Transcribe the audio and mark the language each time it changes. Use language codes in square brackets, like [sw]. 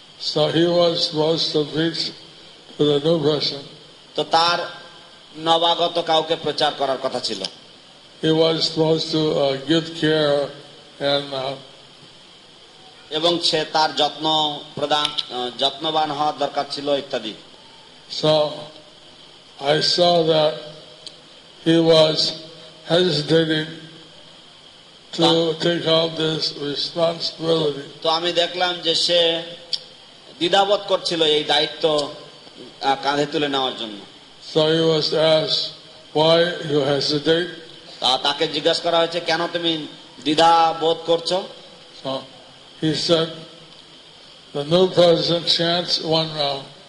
[en] so he was supposed to preach to the new person, [bn] তো তার নবাগত কাউকে প্রচার করার কথা ছিল। [en] he was supposed to give care and [bn] এবং সে তার যত্ন প্রদান যত্নবান হওয়ার দরকার ছিল ইত্যাদি। [en] So I saw that he was hesitating to take up this responsibility. [bn] তো আমি দেখলাম যে সে দ্বিধাবোধ করছিল এই দায়িত্ব কাঁধে তুলে নেওয়ার জন্য। [en] So he was asked, why you hesitate? [bn] তা তাকে জিজ্ঞাসা করা হয়েছে, কেন তুমি দ্বিধাবোধ করছো? [en] So he said, the new person chance one round.